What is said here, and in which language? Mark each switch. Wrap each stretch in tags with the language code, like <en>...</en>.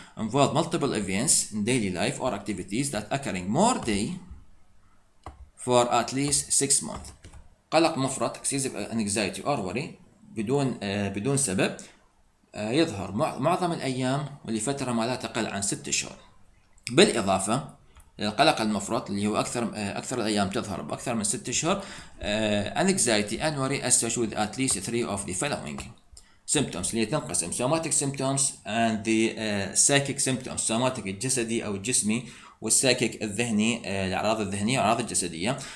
<en>Involve multiple events in daily life or activities that occurring more day for at least 6 months.</en> <ar>قلق مفرط</ar> <en>excessive anxiety or worry</en> <ar>بدون سبب يظهر معظم الأيام ولفترة ما لا تقل عن 6 شهور. بالإضافة القلق المفرط اللي هو أكثر الأيام تظهر بأكثر من 6 شهور.</ar> <en>Anxiety and worry associated with at least 3 of the following symptoms</en> <ar>اللي تنقسم</ar> <en>somatic symptoms and the psychic symptoms.</en> <ar>somatic الجسدي أو الجسمي والسايكيك الذهني الأعراض الذهنية والأعراض الجسدية.</ar>